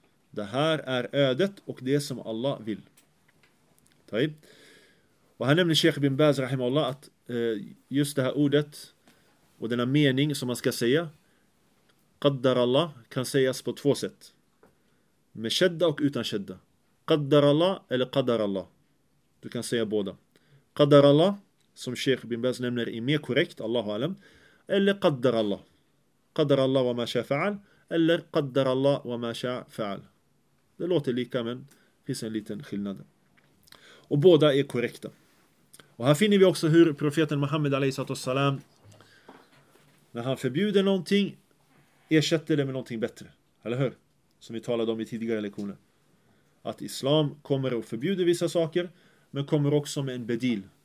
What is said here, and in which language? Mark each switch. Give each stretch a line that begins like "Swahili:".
Swedish: Det här är ödet och det som Allah vill.
Arabic: طيب.
Swedish: Och här nämner Sheikh bin Baz rahimahullah att just det här ordet och denna mening som man ska säga
Arabic: قدر الله
Swedish: kan sägas på två sätt. Med shadda och utan shadda.
Arabic: قدر الله
Swedish: eller
Arabic: قدر الله.
Swedish: Du kan säga båda.
Arabic: قدر الله
Swedish: som Sheikh bin Baz nämner är mer korrekt, Allahu alam, eller قدر الله.
Arabic: قدر الله وما شاء فعل
Swedish: eller
Arabic: قدر الله وما شاء فعل.
Swedish: Det låter lika, men finns en liten skillnad. Och båda är korrekta. Och här finner vi också hur profeten Muhammad a.s. när han förbjuder någonting, ersätter det med någonting bättre. Eller hur? Som vi talade om i tidigare lektioner. Att islam kommer att förbjuda vissa saker, men kommer också med en bedil.